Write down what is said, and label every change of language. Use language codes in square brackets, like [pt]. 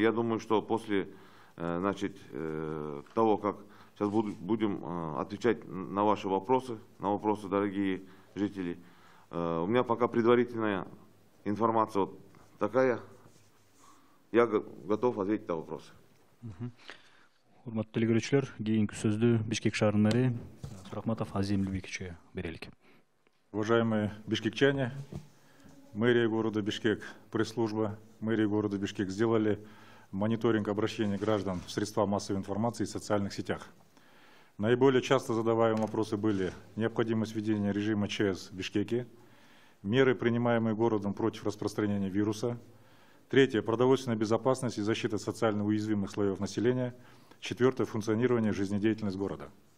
[ru] Я думаю, что после того, как сейчас будем отвечать на ваши вопросы, на вопросы, дорогие жители, у меня пока предварительная информация вот такая. Я готов ответить на вопросы. [ky] Урматтуу телекөрүүчүлөр, кийинки сөздү Бишкек шаарынын мэри Рахматов Азим Любикичке берелик. [ru] Уважаемые бишкекчане, мэрия города Бишкек, пресс-служба мэрии города Бишкек сделали мониторинг обращений граждан в средства массовой информации и социальных сетях. Наиболее часто задаваемые вопросы были: необходимость введения режима ЧС в Бишкеке, меры, принимаемые городом против распространения вируса, третье – продовольственная безопасность и защита социально уязвимых слоев населения, четвертое – функционирование и жизнедеятельность города.